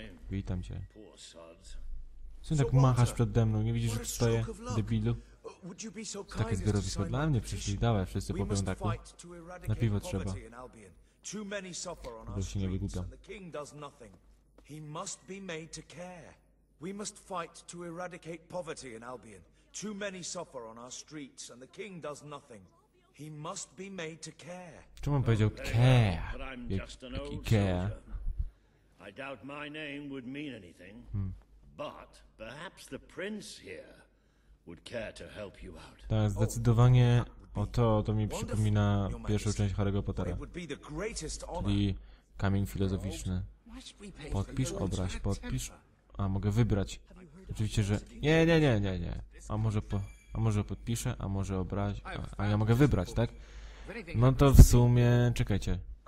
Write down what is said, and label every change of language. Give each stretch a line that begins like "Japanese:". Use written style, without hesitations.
Polish: Witam cię. Co tak machasz przede mną? Nie widzisz, że tu stoję, debilu? Takie zbiorowisko dla mnie przyszli. Dawaj, wszyscy powiem tak. Na piwo trzeba.
English: Too many suffer on our streets, and the king does nothing. He must be made to care. We must fight to eradicate poverty in Albion. Too many suffer on our streets, and the king does nothing. He must be made to care.
Polish: Czemu on powiedział care?
English: But I'm just an old soldier. I doubt my name would mean anything. But perhaps the prince here would care to help you out.
Polish: Tak, zdecydowanie. O, to mi przypomina pierwszą część Harry'ego Pottera, czyli kamień filozoficzny. Podpisz obraz, podpisz... A, mogę wybrać. Oczywiście, że... Nie. A może podpiszę, a może obraz... A ja mogę wybrać, tak? No to w sumie... Czekajcie.